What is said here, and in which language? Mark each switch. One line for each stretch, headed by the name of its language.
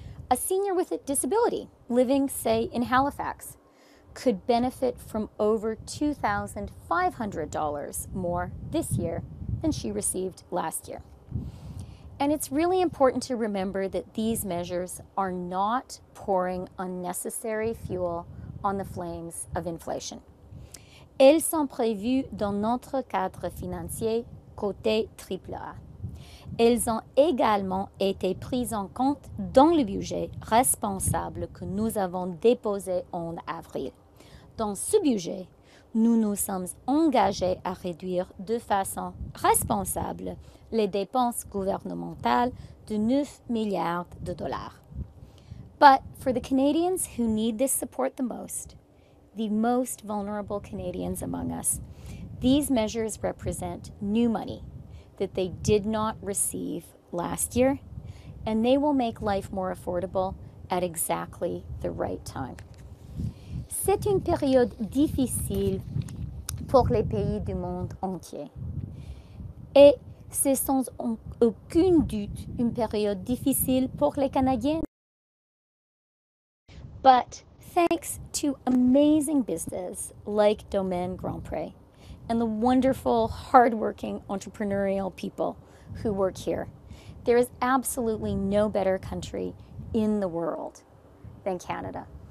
English: A senior with a disability living, say, in Halifax could benefit from over $2,500 more this year than she received last year. And it's really important to remember that these measures are not pouring unnecessary fuel on the flames of inflation.
French: Elles sont prévues dans notre cadre financier côté AAA. Elles ont également été prises en compte dans le budget responsable que nous avons déposé en avril. Dans ce budget, nous nous sommes engagés à réduire de façon responsable les dépenses gouvernementales de 9 milliards de dollars.
English: But for the Canadians who need this support the most vulnerable Canadians among us, these measures represent new money that they did not receive last year, and they will make life more affordable at exactly the right time.
French: C'est une période difficile pour les pays du monde entier. Et c'est sans aucun doute une période difficile pour les Canadiens.
English: But thanks to amazing businesses like Domaine Grand Pré and the wonderful, hardworking, entrepreneurial people who work here, there is absolutely no better country in the world than Canada.